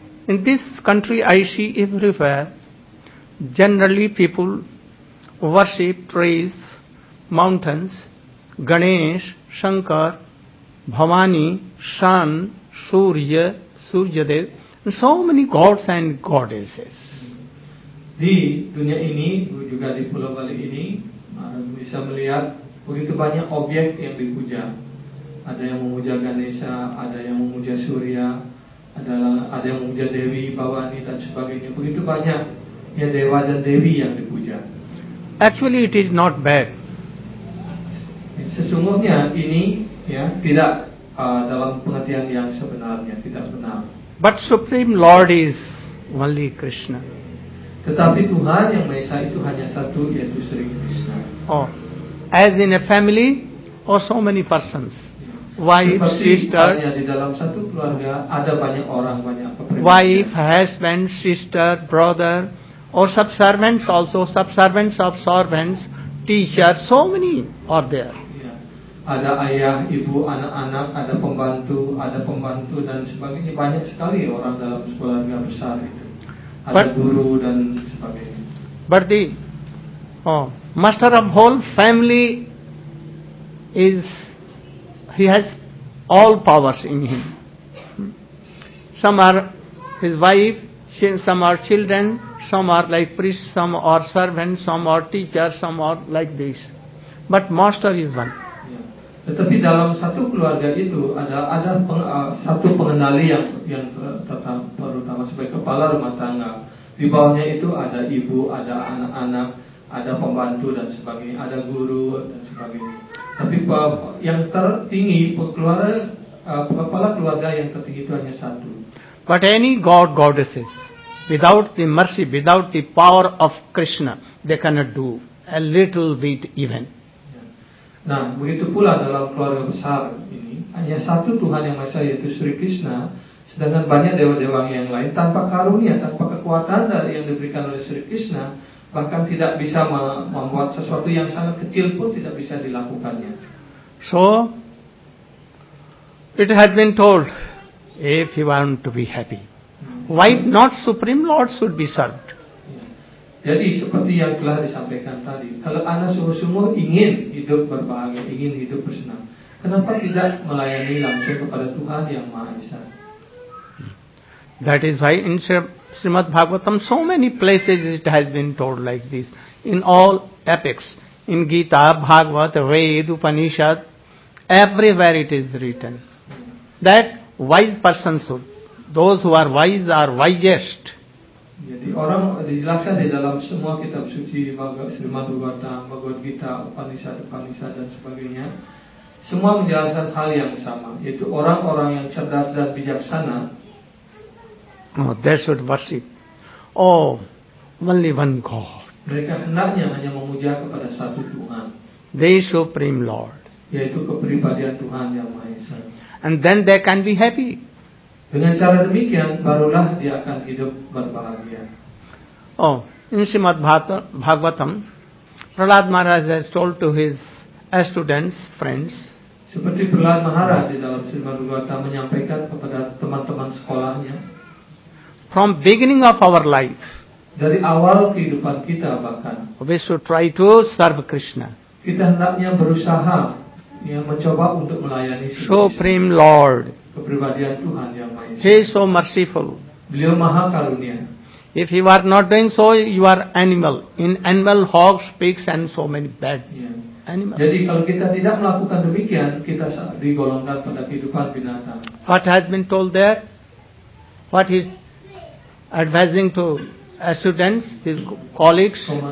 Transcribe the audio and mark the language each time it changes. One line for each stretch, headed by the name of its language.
English: In this country I see everywhere, generally people worship, praise mountains, Ganesh, Shankar, Bhavani, Sun, Surya, Suryadev, and so many gods and goddesses.
Indonesian: Di dunia ini, juga di Pulau Bali ini, bisa melihat begitu banyak objek yang dipuja. Ada yang memuja Ganesha, ada yang memuja Surya, ada yang memuja Dewi, Bhavani, dan sebagainya. Begitu banyak ya dewa dan dewi yang dipuja.
English: Actually, it is not bad.
Indonesian: Sesungguhnya ini ya tidak dalam pengertian yang sebenarnya tidak benar.
English: But Supreme Lord is only Krishna.
Indonesian: Tetapi Tuhan yang Maha Esa itu hanya satu, yaitu Sri Krishna.
English: Oh, as in a family, oh so many persons, wife, sister.
Indonesian: Ya di dalam satu keluarga ada banyak orang, banyak pemimpin.
English: Wife, husband, sister, brother, or subservants also, subservants of servants, teacher, so many are there.
Indonesian: Ada ayah, ibu, anak-anak, ada pembantu dan sebagainya. Banyak sekali orang dalam sekolah yang besar itu. Ada guru dan sebagainya.
English: But the master of whole family is, he has all powers in him. Some are his wife, some are children, some are like priests, some are servants, some are teachers, some are like this. But master is one.
Indonesian: Tetapi dalam satu keluarga itu ada satu pengenali yang terutama sebagai kepala rumah tangga. Di bawahnya itu ada ibu, ada anak-anak, ada pembantu dan sebagainya, ada guru dan sebagainya. Tapi yang tertinggi kepala keluarga yang tertinggi itu hanya satu.
English: But any god goddesses without the mercy, without the power of Krishna, they cannot do a little bit even.
Indonesian: Nah, begitu pula dalam keluarga besar ini, hanya satu Tuhan yang Maha Esa yaitu Sri Krishna, sedangkan banyak dewa-dewa yang lain tanpa karunia, tanpa kekuatan dari yang diberikan oleh Sri Krishna, bahkan tidak bisa membuat sesuatu yang sangat kecil pun tidak bisa dilakukannya.
English: So, it has been told, if you want to be happy, why not Supreme Lord should be served?
Indonesian: Jadi seperti yang telah disampaikan tadi, kalau Anda sungguh-sungguh ingin hidup berbahagia, ingin hidup bersenang, kenapa tidak melayani langsung kepada Tuhan yang Maha Esa?
English: That is why in Srimad Bhagavatam so many places it has been told like this. In all epics, in Gita, Bhagavat, Ved, Upanishad, everywhere it is written that wise persons, those who are wisest.
Indonesian: Jadi orang dijelaskan di dalam semua kitab suci, Srimad Bhagavatam, Bhagavad Gita, Upanishad dan sebagainya, semua menjelaskan hal yang sama, yaitu orang-orang yang cerdas dan bijaksana.
English: Oh, they should worship. Oh, only one God.
Indonesian: Mereka hendaknya hanya memuja kepada satu Tuhan.
English: The Supreme Lord.
Indonesian: Yaitu kepribadian Tuhan yang Maha Esa.
English: And then they can be happy.
Indonesian: Dengan cara demikian, barulah dia akan hidup berbahagia.
English: Oh, in Srimad Bhagavatam, Prahlad Maharaj has told to his students, friends.
Indonesian: Seperti Prahlad Maharaj di dalam Srimad Bhagavatam menyampaikan kepada teman-teman sekolahnya.
English: From beginning of our life,
Indonesian: dari awal kehidupan kita bahkan,
English: we should try to serve Krishna.
Indonesian: Kita hendaknya berusaha, ya, mencoba untuk melayani
English: Supreme Lord.
Indonesian: Kepribadian Tuhan yang Maha Esa.
English: He is so merciful.
Indonesian: Beliau Maha Karunia.
English: If you are not doing so, you are animal. In animal, hogs, pigs, and so many bad animals.
Indonesian: Jadi kalau kita tidak melakukan demikian, kita digolongkan pada kehidupan binatang.
English: What has been told there? what he is advising to a student, his colleagues.